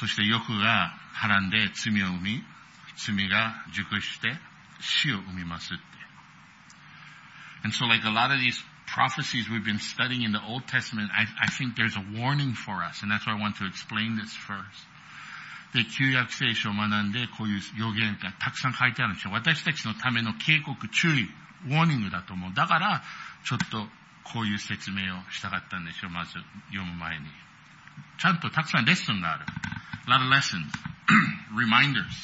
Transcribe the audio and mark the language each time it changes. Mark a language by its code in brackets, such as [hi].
[ja] そして欲がはらんで罪を生み、罪が熟して死を生みますって。 [en] And so like a lot of these prophecies we've been studying in the Old Testament, I think there's a warning for us, and that's why I want to explain this first. [ja] で、旧約聖書を学んでこういう予言がたくさん書いてあるんですよ。私たちのための警告、注意、ウォーニングだと思う。だから、ちょっとこういう説明をしたかったんでしょう。まず読む前に。ちゃんとたくさんレッスンがある。 [en] A lot of lessons. Reminders.